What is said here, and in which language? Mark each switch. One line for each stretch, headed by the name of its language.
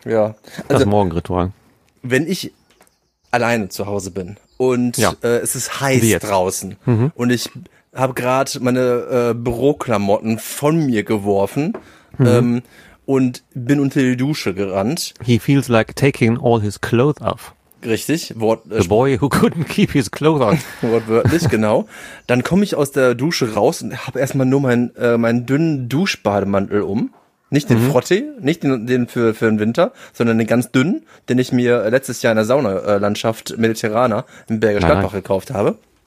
German: Ja. Also, das Morgenritual. Wenn ich alleine zu Hause bin und ja. Es ist heiß draußen und ich habe gerade meine Büroklamotten von mir geworfen und bin unter die Dusche gerannt.
English: He feels like taking all his clothes off.
German: Richtig.
English: The boy who couldn't keep his clothes on.
German: Wortwörtlich, genau. Dann komme ich aus der Dusche raus und habe erstmal nur meinen dünnen Duschbademantel um. Nicht den Frotti, nicht den für den Winter, sondern den ganz dünnen, den ich mir letztes Jahr in der Saunalandschaft Mediterraner in Bergisch Gladbach gekauft habe.